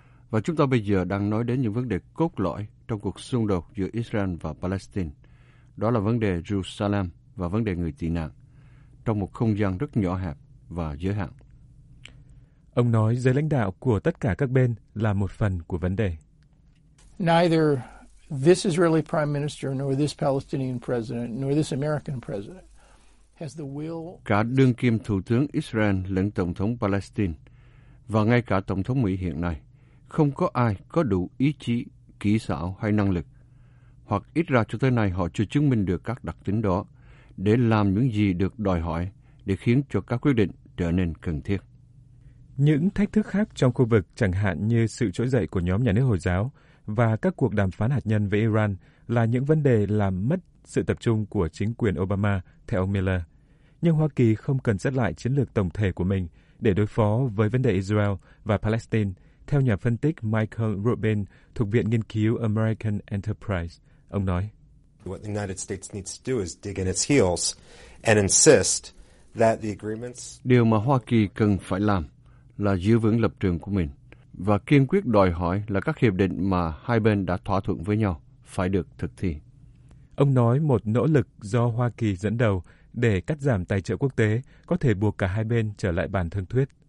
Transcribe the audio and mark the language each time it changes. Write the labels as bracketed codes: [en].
[vi] Và chúng ta bây giờ đang nói đến những vấn đề cốt lõi trong cuộc xung đột giữa Israel và Palestine. Đó là vấn đề Jerusalem và vấn đề người tị nạn trong một không gian rất nhỏ hẹp và giới hạn. Ông nói giới lãnh đạo của tất cả các bên là một phần của vấn đề. [en] Neither this Israeli prime minister nor this Palestinian president nor this American president has the will. [vi] Cả đương kim thủ tướng Israel lẫn tổng thống Palestine và ngay cả tổng thống Mỹ hiện nay không có ai có đủ ý chí, kỹ xảo hay năng lực, hoặc ít ra cho tới nay họ chưa chứng minh được các đặc tính đó để làm những gì được đòi hỏi để khiến cho các quyết định trở nên cần thiết. Những thách thức khác trong khu vực, chẳng hạn như sự trỗi dậy của nhóm nhà nước Hồi giáo và các cuộc đàm phán hạt nhân với Iran là những vấn đề làm mất sự tập trung của chính quyền Obama, theo ông Miller. Nhưng Hoa Kỳ không cần xét lại chiến lược tổng thể của mình để đối phó với vấn đề Israel và Palestine, theo nhà phân tích Michael Rubin thuộc Viện Nghiên cứu American Enterprise, ông nói. [en] What the United States needs to do is dig in its heels and insist that the agreements. [vi] Điều mà Hoa Kỳ cần phải làm là giữ vững lập trường của mình và kiên quyết đòi hỏi là các hiệp định mà hai bên đã thỏa thuận với nhau phải được thực thi. Ông nói một nỗ lực do Hoa Kỳ dẫn đầu để cắt giảm tài trợ quốc tế có thể buộc cả hai bên trở lại bàn thương thuyết.